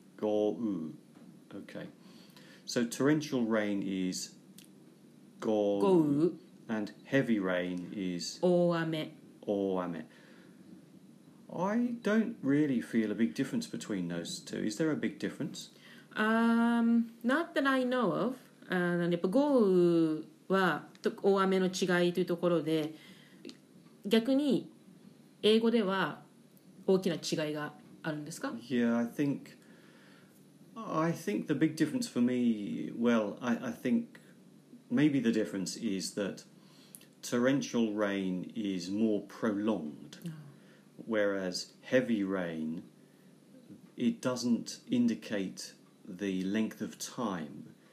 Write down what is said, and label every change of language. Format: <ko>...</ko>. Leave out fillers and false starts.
<en>Gou. Okay. So torrential rain is gou.</en> <ja>Gou.</ja> <en>And heavy rain is...</en> <ja>Oame. Oame.</ja> <en>I don't really feel a big difference between those two. Is there a big difference? Not that I know of.</en> <ja>やっぱ豪雨は大雨の違いというところで、逆に英語では大きな違いがあるんですか?</ja> <en>Yeah, I think the big difference for me, well, I think maybe the difference is that torrential rain is more prolonged, whereas heavy rain, it doesn't indicate the length of time.</en>